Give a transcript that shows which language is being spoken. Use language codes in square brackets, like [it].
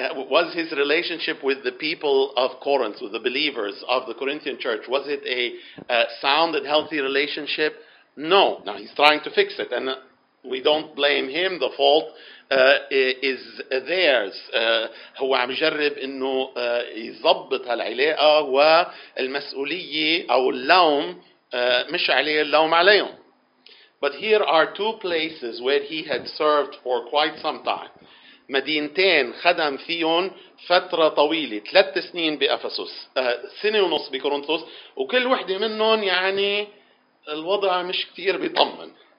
[en] Was his relationship with the people of Corinth, with the believers of the Corinthian church, was it a sound and healthy relationship? No. Now he's trying to fix it, and we don't blame him. The fault is theirs. [ar] هو عم يجرب إنه يضبط هالعلاقة والمسؤولية أو اللوم مش عليه اللوم عليهم. [en] But here are two places where he had served for quite some time. [ar] مدينتين خدم فيهم فترة طويلة 3 سنين بأفسس سنة ونص بكورنثوس وكل واحدة منهم يعني الوضع مش كتير بيطمن.